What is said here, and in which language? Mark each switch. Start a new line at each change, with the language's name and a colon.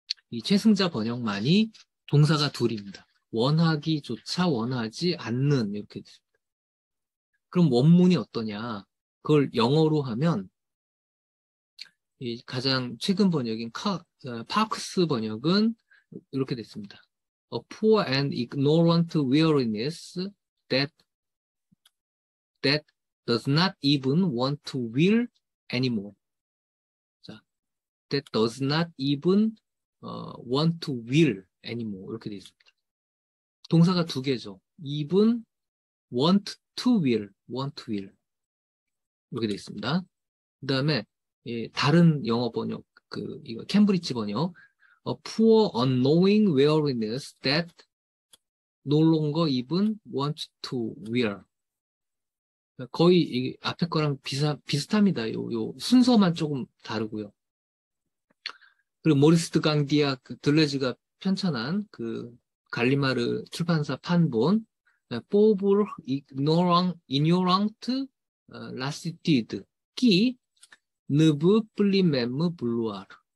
Korean: 이 최승자 번역만이 동사가 둘입니다. 원하기조차 원하지 않는 이렇게 됩니다. 그럼 원문이 어떠냐? 그걸 영어로 하면 이 가장 최근 번역인 파크스 번역은 이렇게 됐습니다.
English: A poor and ignorant weariness that does not even want to will anymore. That does not even want to will anymore.
Korean: 이렇게 되어 있습니다. 동사가 두 개죠.
English: even want to will. want to will.
Korean: 이렇게 되어 있습니다. 그 다음에, 예, 다른 영어 번역, 이거, 캠브리지 번역.
English: A poor unknowing weariness that no longer even want to will.
Korean: 거의 이 앞에 거랑 비슷합니다. 요 순서만 조금 다르고요. 그리고 모리스 드 강디아 그 들레즈가 편찬한 그 갈리마르 출판사 판본
French: Pauvre ignorant lassitude qui ne veut plus même vouloir.